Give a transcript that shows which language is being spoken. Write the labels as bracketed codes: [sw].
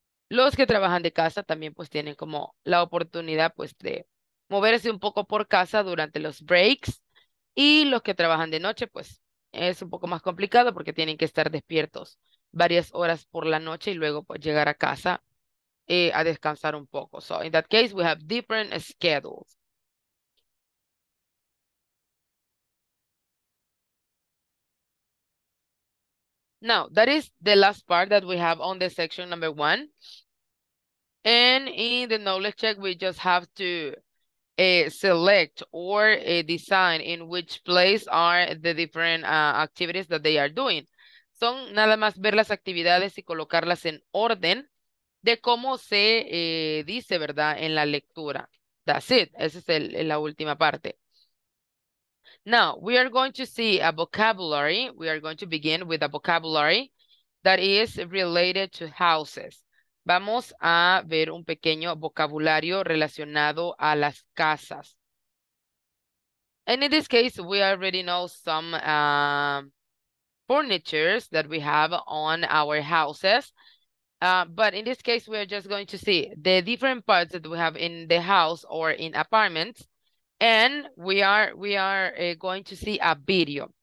[es] Los que trabajan de casa también pues tienen como la oportunidad pues de moverse un poco por casa durante los breaks. Y los que trabajan de noche, pues, es un poco más complicado porque tienen que estar despiertos varias horas por la noche y luego pues, llegar a casa a descansar un poco. [en] So, in that case, we have different schedules. Now, that is the last part that we have on the section number one. And in the knowledge check, we just have to select or design in which place are the different activities that they are doing. [es] Son nada más ver las actividades y colocarlas en orden de cómo se dice, ¿verdad?, en la lectura. [en] That's it. [es] Esa es la última parte. [en] Now, we are going to see a vocabulary. We are going to begin with a vocabulary that is related to houses. [es] Vamos a ver un pequeño vocabulario relacionado a las casas. [en] And in this case, we already know some furnitures that we have on our houses. But in this case, we are just going to see the different parts that we have in the house or in apartments. And we are going to see a video.